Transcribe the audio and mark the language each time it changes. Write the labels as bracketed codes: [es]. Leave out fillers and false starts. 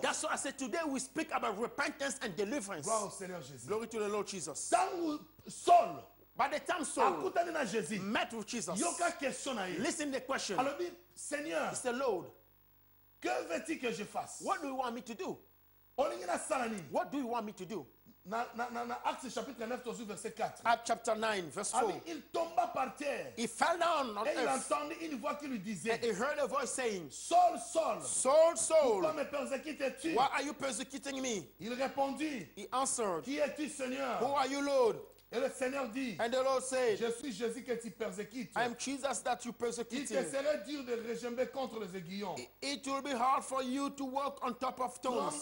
[en] That's why I said today we speak about repentance and deliverance. [fr] Gloire au Seigneur Jésus. [en] Glory to the Lord Jesus. [fr] Saul. [en] By the time Saul [fr] Jésus, [en] met with Jesus. [ln] Yoka question à [en] listen to the question. [fr] Seigneur, [en] it's the Lord. [fr] Que veux-tu que je fasse? [en] What do you want me to do? What do you want me to do? Na Acts chapter 9 verse 4. Acts chapter 9 verse 4. [fr] Il tomba par terre. [en] He fell down on earth. [fr] Et il entendit une voix qui lui disait. [en] And he heard a voice saying, [fr] Saul, Saul. [en] Saul, Saul. [fr] Pourquoi me persécutes-tu? [en] Why are you persecuting me? [fr] Il répondit. [en] He answered. [fr] Qui es-tu, Seigneur? [en] Who are you, Lord? [fr] Et le Seigneur dit. [en] And the Lord said. [fr] Je suis Jésus que tu persécutes. [en] I am Jesus that you persecute. [fr] Il te serait dur de régimber contre les aiguillons. [en] It will be hard for you to walk on top of stones.